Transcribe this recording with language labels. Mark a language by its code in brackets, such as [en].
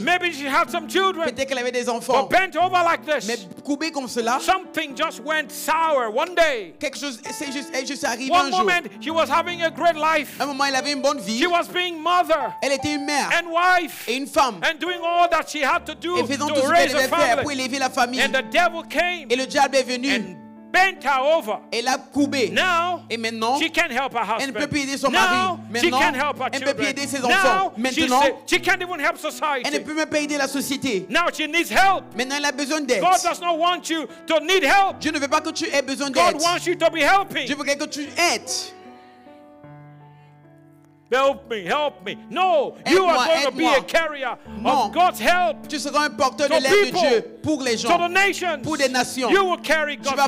[en] Maybe she had some children. [fr] Peut-être qu'elle avait des enfants. [en] But bent over like this. [fr] Mais courbée comme cela. [en] Something just went sour one day. [fr] Quelque chose est juste arrivé [en] one [fr] un jour. [en] One moment she was having a great life. [fr] Un moment elle avait une bonne vie. [en] She was being mother. [fr] Elle était une mère. [en] And wife. [fr] Et une femme. [en] And doing all that she had to do. [fr] Et faisant tout ce qu'elle devait faire pour élever la famille. [en] And the devil came. [fr] Et le diable est venu. [en] And bent her over. [fr] Elle a courbé. [en] Now, [fr] et maintenant, [en] she can't help her husband. [fr] Elle ne peut plus aider son [en] now, [fr] mari. Maintenant, [en] she can't help her [fr] elle ne peut plus aider ses [en] now, [fr] enfants. [en] She [fr] maintenant, [en] say, she can't even help society. [fr] Elle ne peut même pas aider la société. [en] Now, she needs help. [fr] Maintenant, elle a besoin d'aide. [en] God does not want you to need help. [fr] Je ne veux pas que tu aies besoin d'aide. [en] God wants you to be helping. [fr] Je veux que tu aides. [en] Help me. No, you are going to be a carrier of God's help. [fr] Tu seras un porteur de l'aide de Dieu pour les gens. [en] To the nations. [fr] Pour les nations. [en] You will carry God's help.